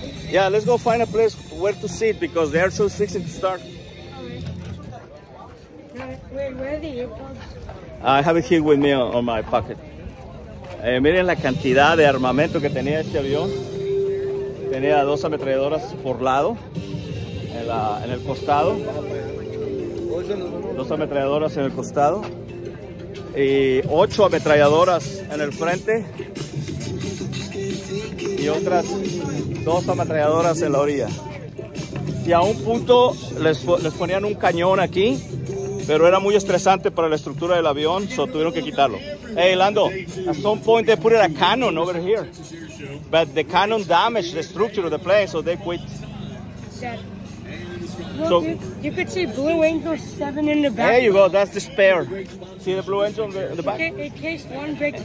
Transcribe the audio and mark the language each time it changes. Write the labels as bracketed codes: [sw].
[en] Yeah, let's go find a place where to sit because the air show is fixing to start. Wait, where are the earphones? I have it here with me on my pocket. [es] Miren la cantidad de armamento que tenía este avión. Tenía dos ametralladoras por lado, en el costado. Dos ametralladoras en el costado. Y ocho ametralladoras en el frente. Y otras dos ametralladoras en la orilla. Y a un punto les ponían un cañón aquí, pero era muy estresante para la estructura del avión, so tuvieron que quitarlo. [en] Hey, Lando, at some point they put a cannon over here, but the cannon damaged the structure of the plane, so they quit. Well, so you could see Blue Angel 7 in the back. There you go, that's the spare. See the Blue Angel in the back? In case one breaks